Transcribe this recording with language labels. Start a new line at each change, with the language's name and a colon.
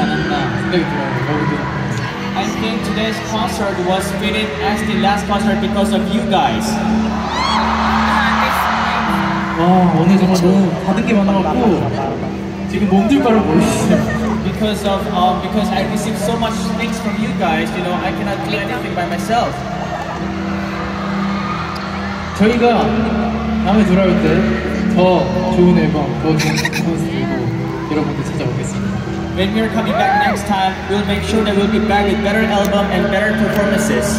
English: I think today's concert was fitted as the last concert because of you guys. Because I received so much things from you guys, you know, I cannot do anything by myself.
Korean: 저희가 다음에 돌아올 때 더 좋은 앨범, 더 좋은 콘서트로 여러분들 찾아뵙겠습니다.
English: When we are coming back next time, we'll make sure that we'll be back with better album and better performances.